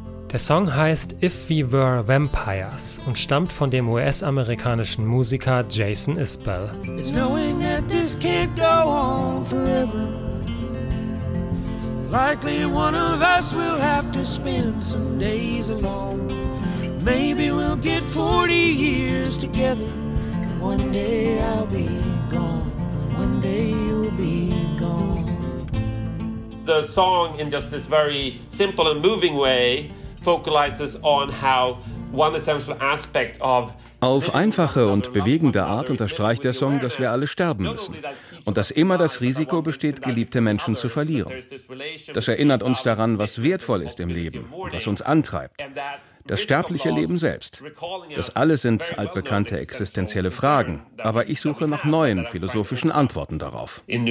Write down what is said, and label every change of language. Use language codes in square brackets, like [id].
[de] Der Song heißt If We Were Vampires und stammt von dem US-amerikanischen Musiker Jason Isbell. [en] It's knowing that this can't go on forever. Likely one of us will have to spend some days alone. Maybe we'll get 40 years together. One day I'll be gone. One day you'll be gone. The song, in just this very simple and moving way, focalizes on how one essential aspect of. [de] Auf einfache und bewegende Art unterstreicht der Song, dass wir alle sterben müssen und dass immer das Risiko besteht, geliebte Menschen zu verlieren. Das erinnert uns daran, was wertvoll ist im Leben, was uns antreibt. Das sterbliche Leben selbst. Das alles sind altbekannte existenzielle Fragen, aber ich suche nach neuen philosophischen Antworten darauf.